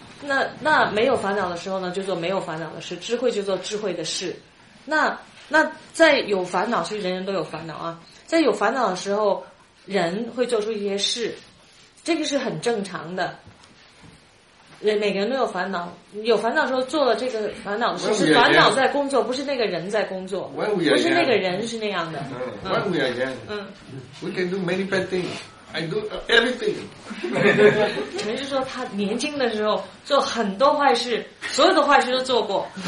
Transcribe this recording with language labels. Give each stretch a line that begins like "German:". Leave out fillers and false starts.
Chinese: 那没有烦恼的时候呢，就做没有烦恼的事，智慧就做智慧的事，那在有烦恼，其实人人都有烦恼啊。在有烦恼的时候，人会做出一些事，这个是很正常的。人每个人都有烦恼，有烦恼的时候做了这个烦恼的时候，是烦恼在工作，不是那个人在工作。不是那个人是那样的。
English: When we are young, we can do many bad things. I do everything.
Chinese: 陈师说他年轻的时候做很多坏事，所有的坏事都做过。